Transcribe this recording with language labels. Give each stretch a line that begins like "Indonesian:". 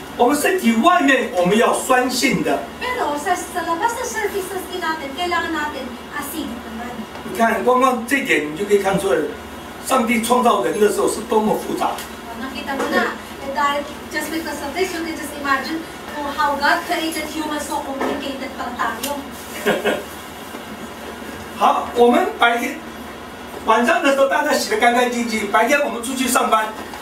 Chinese: 我们身体外面我们要酸性的。
Filipino: Pero sa labas na surfaces din natin, kailangan natin acid naman.
Chinese: 你看，光光这点你就可以看出，上帝创造人的时候是多么复杂。
Filipino: Nakita mo na,
English: just because of this, you can just imagine how God created humans so complicated
Filipino: pa tayo.
Chinese: 好，我们白天晚上的时候大家洗得干干净净，白天我们出去上班。